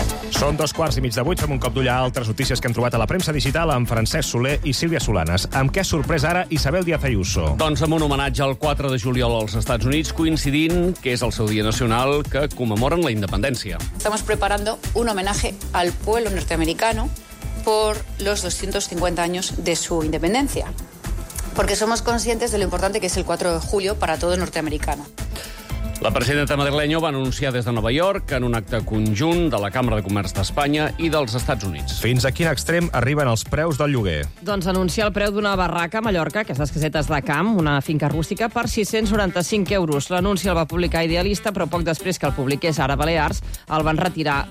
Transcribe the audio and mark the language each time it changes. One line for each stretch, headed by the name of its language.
Catalan: Són 8:15, fem un cop d'ull a altres notícies que hem trobat a la premsa digital amb Francesc Soler i Sílvia Solanes. Amb què sorprès ara Isabel Díaz Ayuso? Doncs amb un homenatge al 4 de juliol als Estats Units, coincidint que és el seu dia nacional, que commemoren la independència.
Spanish: Estamos preparando un homenaje al pueblo norteamericano por los 250 años de su independencia. Porque somos conscientes de lo importante que es el 4 de julio para todo norteamericano.
Catalan: La presidenta madrileño va anunciar des de Nova York en un acte conjunt de la Cambra de Comerç d'Espanya i dels Estats Units. Fins a quin extrem arriben els preus del lloguer? Doncs anunciar el preu d'una barraca a Mallorca, aquestes casetes de camp, una finca rústica, per 695 euros. L'anunci el va publicar Idealista, però poc després que el publiqués Ara Balears, el van retirar.